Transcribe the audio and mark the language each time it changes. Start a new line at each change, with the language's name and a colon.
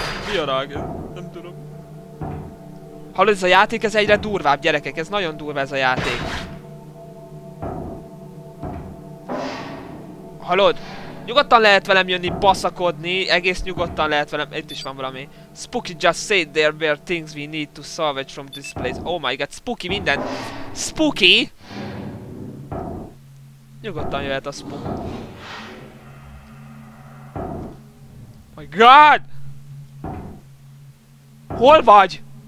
Hungarian: Mi a rág? Nem tudom. Hallod, ez a játék, ez egyre durvább, gyerekek. Ez nagyon durva ez a játék. Hallod? Nyugodtan lehet velem jönni baszakodni, egész nyugodtan lehet velem... Itt is van valami.
English: Spooky just said there were things we need to salvage from this place. Oh my god, spooky minden. Spooky!
Hungarian: Nyugodtan jöhet a spook.
English: My god!
Hungarian: Hol vagy?